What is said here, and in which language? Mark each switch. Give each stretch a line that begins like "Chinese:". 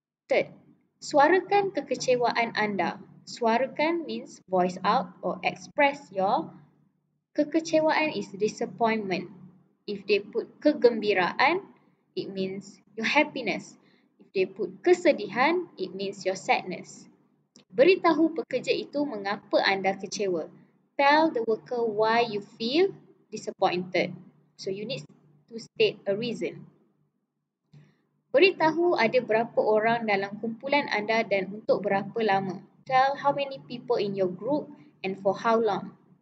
English: Third,
Malay: suarakan kekecewaan anda.
English: Suarakan means voice out or express your kekecewaan is disappointment. If they put kegembiraan, it means your happiness. If they put kesedihan, it means your sadness.
Malay: Beritahu pekerja itu mengapa anda kecewa.
English: Tell the worker why you feel disappointed. So you need to state a reason.
Malay: Beritahu ada berapa orang dalam kumpulan anda dan untuk berapa lama.
English: Tell how many people in your group and for how long.